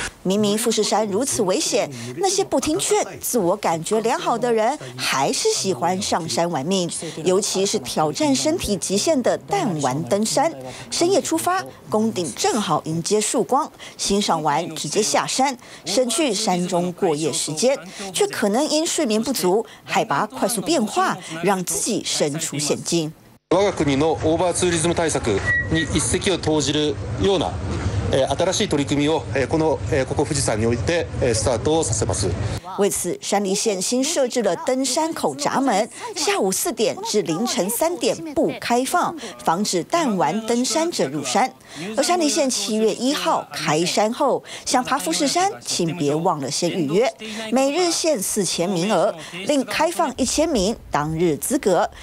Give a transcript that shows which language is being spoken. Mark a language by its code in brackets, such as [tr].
[zh] 明明富士山如此危险，那些不听劝、自我感觉良好的人还是喜欢上山玩命，尤其是挑战身体极限的弹丸登山。深夜出发，宫顶正好迎接曙光，欣赏完直接下山，省去山中过夜时间，却可能因睡眠不足、海拔快速变化，让自己身处险境。 [ja] 我が国のオーバーツーリズム対策に一石を投じるような新しい取り組みをこのここ富士山においてスタートをさせます。 [zh] 为此，山梨县新设置了登山口闸门，下午4点至凌晨3点不开放，防止弹丸登山者入山。而山梨县7月1号开山后，想爬富士山，请别忘了先预约，每日限4000名额，另开放1000名当日资格。